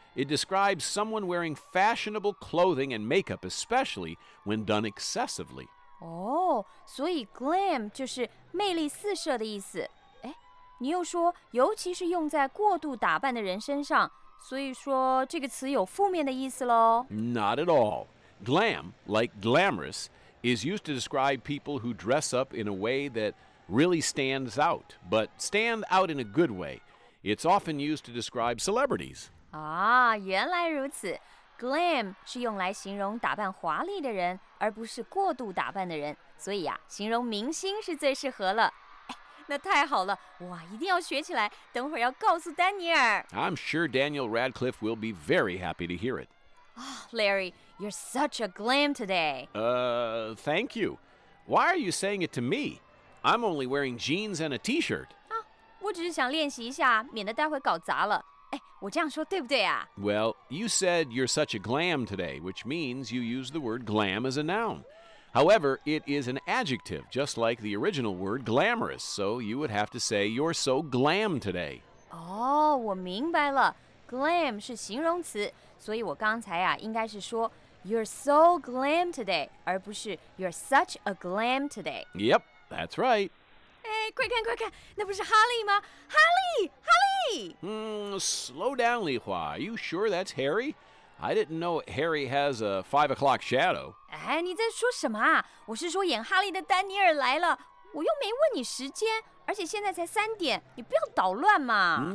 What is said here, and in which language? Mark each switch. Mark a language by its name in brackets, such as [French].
[English] It describes someone wearing fashionable clothing and makeup, especially when done excessively. [Chinese] Oh, 所以 glam 就是魅力四射的意思。你又说，尤其是用在过度打扮的人身上，所以说这个词有负面的意思喽。 [English] Not at all. Glam, like glamorous, is used to describe people who dress up in a way that really stands out, but stand out in a good way. It's often used to describe celebrities. [Chinese] 啊，原来如此。 Glam 是用来形容打扮华丽的人，而不是过度打扮的人。所以啊，形容明星是最适合了。那太好了，我一定要学起来，等会儿要告诉丹尼尔。 [English] I'm sure Daniel Radcliffe will be very happy to hear it. Oh, Larry, you're such a glam today. Thank you. Why are you saying it to me? I'm only wearing jeans and a t-shirt. [Chinese] 啊，我只是想练习一下，免得待会搞砸了。哎，我这样说对不对啊？ [English] Well, you said you're such a glam today, which means you use the word glam as a noun. However, it is an adjective, just like the original word glamorous, so you would have to say you're so glam today. [Chinese] Oh, 我明白了。Glam 是形容词，所以我刚才啊，应该是说 [English] you're so glam today, [Chinese] 而不是 [English] you're such a glam today. Yep, that's right. [Chinese] Hey, 快看快看，那不是哈利吗？哈利，哈利！ [English] Slow down, Li Hua. Are you sure that's Harry? I didn't know Harry has a 5 o'clock shadow. [Chinese] 哎，你在说什么啊？我是说演哈利的丹尼尔来了，我又没问你时间，而且现在才三点，你不要捣乱嘛。